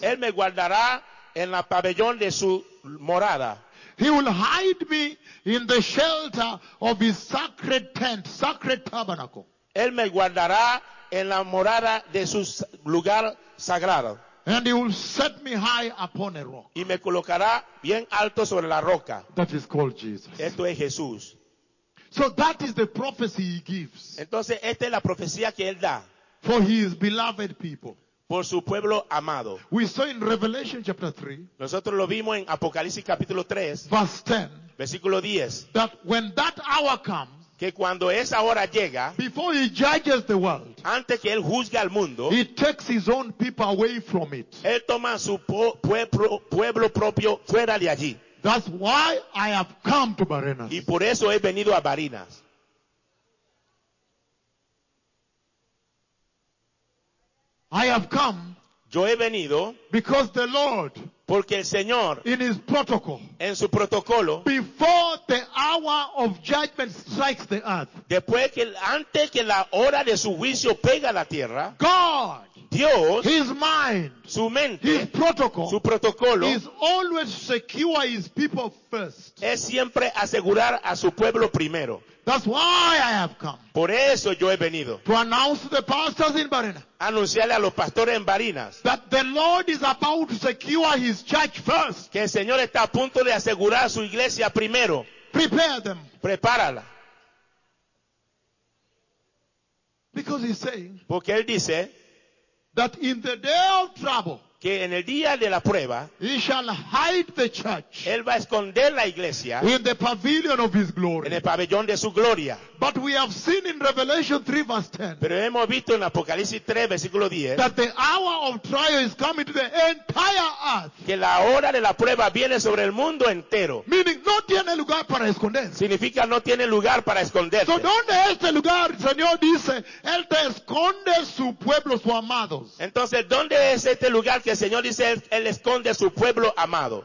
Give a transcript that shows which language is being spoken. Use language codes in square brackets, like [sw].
[es] Él me guardará en la pabellón de su morada. [en] He will hide me in the shelter of his sacred tent, sacred tabernacle. [es] Él me guardará en la morada de su lugar sagrado. [en] And he will set me high upon a rock. [es] Y me colocará bien alto sobre la roca. [en] That is called Jesus. [es] Esto es Jesús. [en] So that is the prophecy he gives. [es] Entonces esta es la profecía que él da. [en] For his beloved people. [es] Por su pueblo amado. [en] We saw in Revelation chapter 3. [es] Nosotros lo vimos en Apocalipsis capítulo 3. [en] Verse 10. [es] Versículo 10. [en] That when that hour comes. [es] Que cuando esa hora llega, [en] before he judges the world, [es] antes que él juzgue al mundo, [en] he takes his own people away from it. [es] Él toma su pueblo propio fuera de allí. [en] That's why I have come to Barinas. [es] Y por eso he venido a Barinas. [en] I have come. [es] Yo he venido. [en] Because the Lord. [es] Porque el Señor. [en] In his protocol. [es] En su protocolo. [en] Before the hour of judgment strikes the earth. [es] Después que antes que la hora de su juicio pega la tierra. [en] God. [es] Dios. [en] His mind. [es] Su mente. [en] His protocol. [es] Su protocolo. [en] Is always secure his people first. [es] Es siempre asegurar a su pueblo primero. [en] That's why I have come. [es] Por eso yo he venido. [en] To announce to the pastors in Barinas. [es] Anunciarle a los pastores en Barinas. [en] That the Lord is about to secure his church first. [es] Que el Señor está a punto de asegurar su iglesia primero. [en] Prepare them. [es] Prepárala. [en] Because he's saying. [es] Porque él dice. [en] That in the day of trouble. [es] Que en el día de la prueba, [en] he shall hide the church, [es] él va a esconder la iglesia [en] in the pavilion of his glory. [es] En el pabellón de su gloria. [en] But we have seen in Revelation 3 verse 10, [es] pero hemos visto en Apocalipsis 3 versículo 10, [en] that the hour of trial is coming to the entire earth, [es] que la hora de la prueba viene sobre el mundo entero. [en] Meaning [es] no tiene lugar para esconderse. Significa no tiene lugar para esconderse. So donde este lugar, el Señor dice, él te esconde su pueblo, su amados. Entonces, ¿dónde es este lugar que el Señor dice él esconde a su pueblo amado?